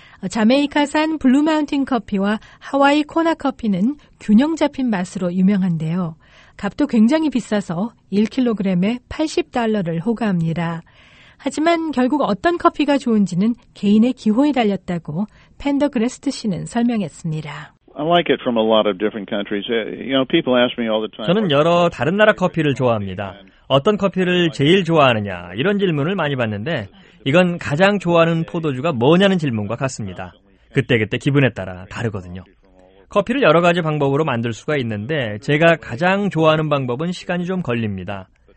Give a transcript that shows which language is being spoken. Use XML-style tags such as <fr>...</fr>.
<ko>자메이카산 블루마운틴 커피와 하와이 코나 커피는 균형 잡힌 맛으로 유명한데요. 값도 굉장히 비싸서 1kg에 $80를 호가합니다. 하지만 결국 어떤 커피가 좋은지는 개인의 기호에 달렸다고 펜더그레스트 씨는 설명했습니다.</ko> <en>I like it from a lot of different countries. You know, people ask me all the time.</en> <ko>저는 여러 다른 나라 커피를 좋아합니다. 어떤 커피를 제일 좋아하느냐 이런 질문을 많이 받는데 이건 가장 좋아하는 포도주가 뭐냐는 질문과 같습니다. 그때그때 기분에 따라 다르거든요. 커피를 여러 가지 방법으로 만들 수가 있는데 제가 가장 좋아하는 방법은 시간이 좀 걸립니다.</ko>